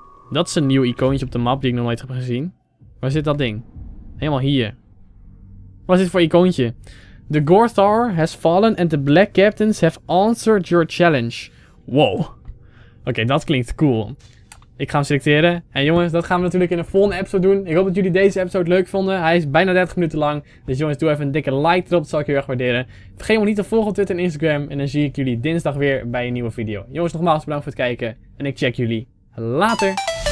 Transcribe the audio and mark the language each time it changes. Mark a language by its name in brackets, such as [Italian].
[Dutch] Dat is een nieuw icoontje op de map die ik nog nooit heb gezien. Waar zit dat ding? Helemaal hier. Wat is dit voor icoontje? [English] The Gorthar has fallen and the Black Captains have answered your challenge. [Dutch] Wow. Oké, dat klinkt cool. Ik ga hem selecteren. En jongens, dat gaan we natuurlijk in de volgende episode doen. Ik hoop dat jullie deze episode leuk vonden. Hij is bijna 30 minuten lang. Dus jongens, doe even een dikke like erop. Dat zal ik heel erg waarderen. Vergeet me niet te volgen op Twitter en Instagram. En dan zie ik jullie dinsdag weer bij een nieuwe video. Jongens, nogmaals bedankt voor het kijken. En ik check jullie later.